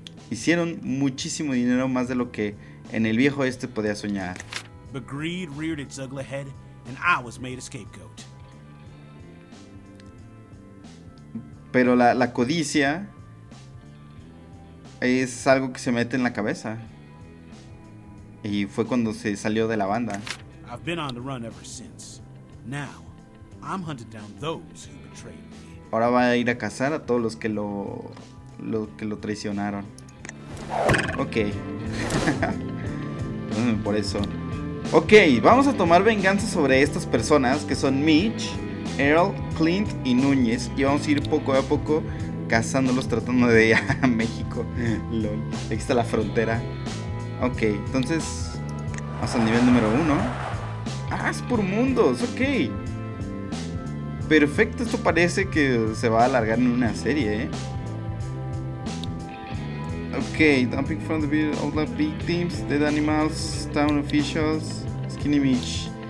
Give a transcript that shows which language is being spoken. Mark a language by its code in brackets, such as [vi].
[es] Hicieron muchísimo dinero, más de lo que en el viejo este podía soñar. [en] But greed reared its ugly head, and I was made a scapegoat. [es] Pero la codicia es algo que se mete en la cabeza, y fue cuando se salió de la banda. [en] I've been on the run ever since. Now I'm hunted down those who betrayed me. [es] Ahora va a ir a cazar a todos los que lo traicionaron. Ok. Por eso. Ok, vamos a tomar venganza sobre estas personas que son Mitch, Earl, Clint y Núñez. Y vamos a ir poco a poco cazándolos, tratando de ir a México. LOL. Aquí está la frontera. Ok, entonces vamos al nivel número 1. Ah, es por mundos, ok. Perfecto, esto parece que se va a alargar en una serie, ¿eh? [en] Ok, dumping from the beer, all the big teams, dead animals, town officials, skinny Mitch.